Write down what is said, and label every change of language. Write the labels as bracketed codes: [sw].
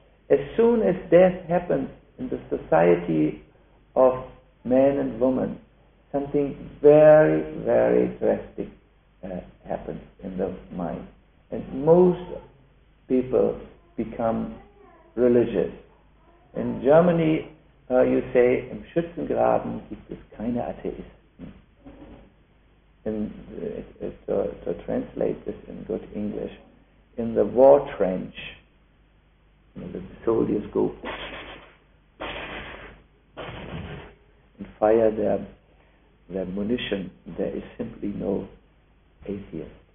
[en] As soon as death happens in the society of man and woman, something very, very drastic happens in the mind. And most people become religious. In Germany, you say, [de] im Schützengraben gibt es keine Atheisten. [en] And to translate this in good English, in the war trench, the soldiers go and fire their munition, there is simply no atheist.